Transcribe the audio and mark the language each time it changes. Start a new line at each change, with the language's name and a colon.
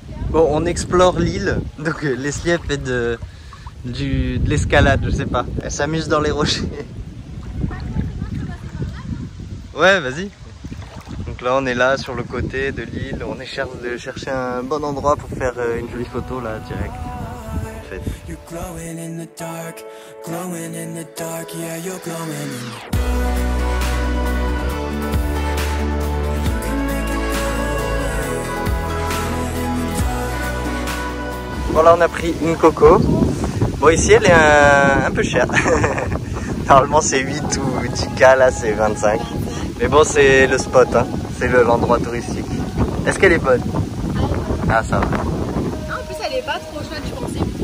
French: Bon, on explore l'île. Donc, Leslie fait de l'escalade, je sais pas. Elle s'amuse dans les rochers. Ouais, vas-y. Donc, là, on est là sur le côté de l'île. On est cherche de chercher un bon endroit pour faire une jolie photo là direct.
English: You're glowing in the dark, glowing in the dark, yeah, you're glowing in the dark.
French: Voilà, on a pris une coco. Bon, ici elle est un peu chère. Normalement c'est 8 ou 10K, là c'est 25. Mais bon, c'est le spot, hein. C'est l'endroit touristique. Est-ce qu'elle est bonne? Ah, ça va. Non, en plus elle est pas trop chouette, je pensais.